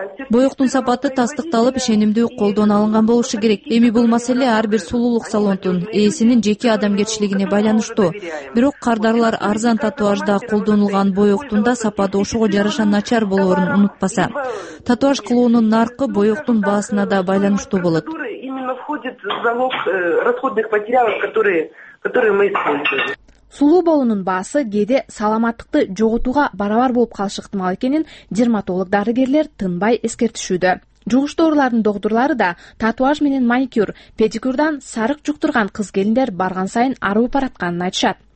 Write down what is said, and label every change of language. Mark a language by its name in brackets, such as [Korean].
[Kyrgyz] Боектун сапаты тастыкталып, ишенимдүү колдон алынган болушу керек. Эми бул маселе ар бир сулуулук салонунун ээсинин жеке адамгерчилигине байланыштуу. Бирок кардарлар арзан татуажда колдонулган боектун да сапаты ошого жараша начар болорун унутпаса. Татуаж кылуунун наркы боектун баасына да байланыштуу болот. [Russian] Именно входит залог расходных материалов, которые мы используем. [Kyrgyz] Сулуу болуунун баасы кээде саламаттыкты жоготууга барабар болуп калышы ыктымал экенин дерматолог дарыгерлер тынбай эскертишүүдө. Жугуштуу оорулардын доктурлары да татуаж менен маникюр, педикюрдан сарык жуктурган кыз келиндер барган сайын арып баратканын айтышат.